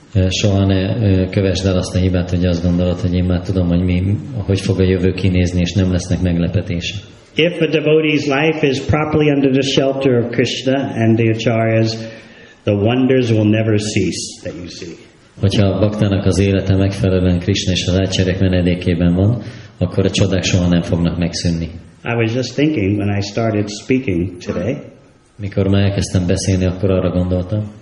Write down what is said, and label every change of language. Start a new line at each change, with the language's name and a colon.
Hungarian: Soha ne kövesd el azt a hibát, hogy azt gondolod, hogy én már tudom, hogy mi, hogy fog a jövő kinézni, és nem lesznek meglepetése.
English: If a devotee's life is properly under the shelter of Krishna and the acharyas, the wonders will never cease that you see.
Hungarian: Hogyha a baktának az élete megfelelően Krishna és az acharyák menedékében van, akkor a csodák soha nem fognak megszűnni.
English: I was just thinking when I started speaking today.
Hungarian: Mikor már elkezdtem beszélni, akkor arra gondoltam.